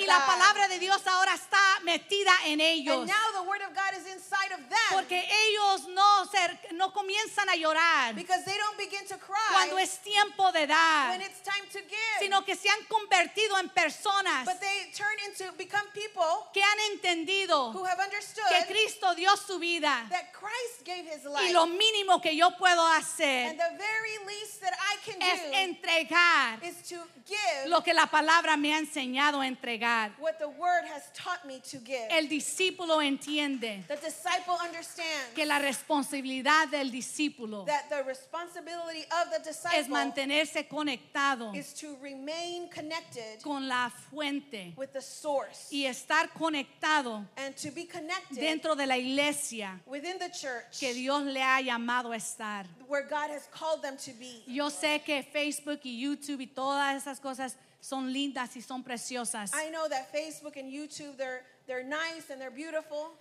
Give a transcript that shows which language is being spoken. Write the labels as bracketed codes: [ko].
[es] y la palabra de Dios ahora está metida en ellos, [en] and now the word of God is inside of them, [es] porque ellos no comienzan a llorar, [en] because they don't begin to cry [es] cuando es tiempo de dar, [en] when it's time to give, [es] sino que se han convertido en personas, [en] but they turn into, become people, [es] que han entendido, [en] who have understood, [es] que Cristo dio su vida, [en] that Christ gave his life, [es] y lo mínimo que yo puedo hacer, [en] and the very least that I can do, [es] es entregar, [en] is to give, [es] lo que la palabra me ha enseñado a entregar, [en] what the word has taught me to give. [es] El discípulo entiende, [en] the disciple understands, [es] que la responsabilidad del discípulo, [en] that the responsibility of the disciple, [es] es mantenerse conectado, [en] is to remain connected, [es] con la fuente, [en] with the source, [es] y estar conectado, [en] and to be connected, [es] dentro de la iglesia, [en] within the church, [es] que Dios le ha llamado a estar, [en] where God has called them to be. [es] Yo sé que Facebook y YouTube y todas esas cosas son lindas y son preciosas. [en] I know that Facebook and YouTube, they're nice and they're beautiful.